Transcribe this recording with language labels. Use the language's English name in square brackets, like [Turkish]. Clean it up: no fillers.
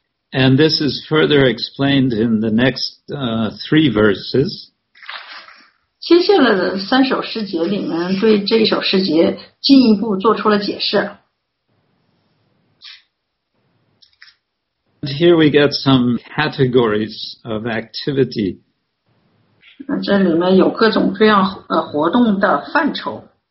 [English] And this is further explained in the next three verses. [Chinese] 接下来的三首诗节里面对这一首诗节进一步做出了解释。 [English] And here we get some categories of activity. [Chinese] 这里面有各种各样活动的范畴。